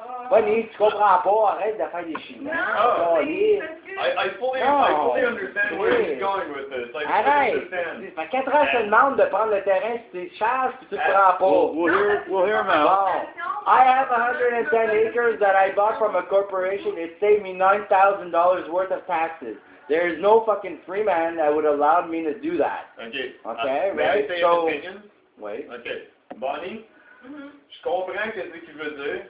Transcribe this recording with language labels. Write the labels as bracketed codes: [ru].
[fr] Bonnie, tu comprends pas, arrête de faire des chinois. Non, oh, oui. [en] I fully understand where he's going with this. I [fr] arrête! Ça fait 4 ans que je te demande de prendre le terrain si tu charges et tu ne prends pas. [en] We'll hear him out. I have 110 acres that I bought from a corporation. It saved me $9,000 worth of taxes. There is no fucking free man that would allow me to do that. Okay. Okay, right? May I say an opinion? Wait. [fr] Okay. Bonnie? Je comprends ce que tu veux dire.